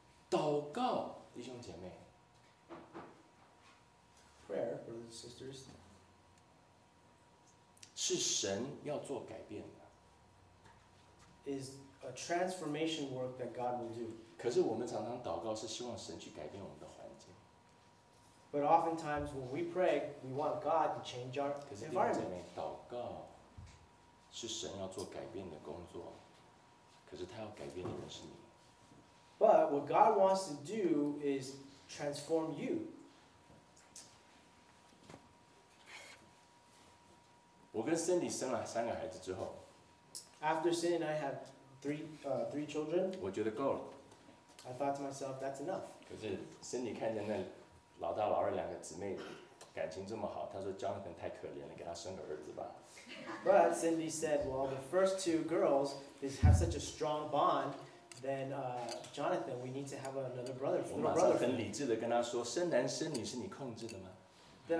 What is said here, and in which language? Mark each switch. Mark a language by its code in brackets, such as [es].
[zh] 祷告, 弟兄姐妹, [en] prayer, brothers and sisters, [zh] 是神要做改变的, [en] is a transformation work that God will do. [zh] 可是我们常常祷告是希望神去改变我们的环境。 [en] But oftentimes, when we pray, we want God to change our environment. [zh] 祷告是神要做改变的工作，可是他要改变的人是你。 [en] But what God wants to do is transform you. [zh] 我跟Cindy生了三个孩子之后， [en] After Cindy and I had three children, [zh] 我觉得够了。 [en] I thought to myself, that's enough. [zh] 可是Cindy看见那 老大老二两个姊妹感情这么好，她说 Jonathan 太可怜了，给他生个儿子吧。 [en] But Cindy said, "Well, the first two girls have such a strong bond. Then Jonathan, we need to have another brother." [zh] 我马上很理智的跟她说，生男生女是你控制的吗？ [en] Then